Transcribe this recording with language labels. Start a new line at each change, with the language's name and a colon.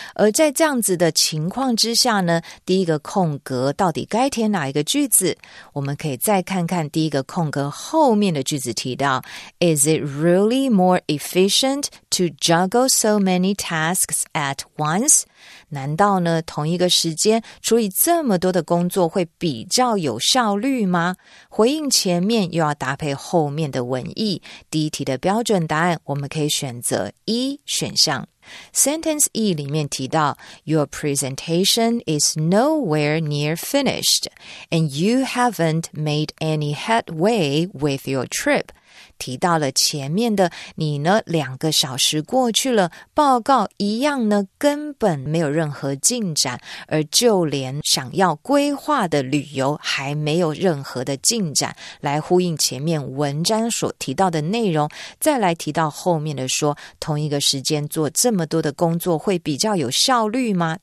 Chinese: 而在这样子的情况之下呢，第一个空格到底该填哪一个句子，我们可以再看看第一个空格后面的句子提到 Is it really more efficient to juggle so many tasks at once? 难道呢，同一个时间处理这么多的工作会比较有效率吗？回应前面又要搭配后面的文意。第一题的标准答案，我们可以选择一选项。
English: Sentence E 里面提到 Your presentation is nowhere near finished and you haven't made any headway with your trip.
Chinese: 提到了前面的你呢，两个小时过去了，报告一样呢，根本没有任何进展，而就连想要规划的旅游还没有任何的进展。来呼应前面文章所提到的内容，再来提到后面的说，同一个时间做这么多的工作会比较有效率吗？